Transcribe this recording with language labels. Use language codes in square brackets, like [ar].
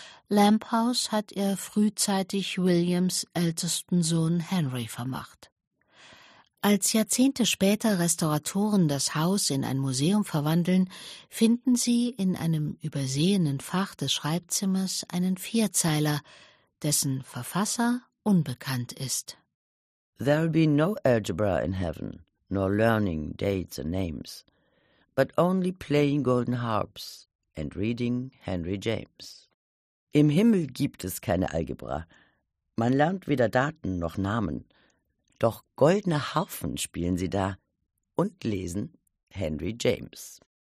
[de] Lamp House hat er frühzeitig Williams ältesten Sohn Henry vermacht. Als Jahrzehnte später Restauratoren das Haus in ein Museum verwandeln, finden sie in einem übersehenen Fach des Schreibzimmers einen Vierzeiler, dessen Verfasser unbekannt ist. [en] There'll be no algebra in heaven, nor learning dates and names, but only playing golden harps and reading Henry James. [de] Im Himmel gibt es keine Algebra. Man lernt weder Daten noch Namen. Doch goldene Harfen spielen sie da und lesen Henry James.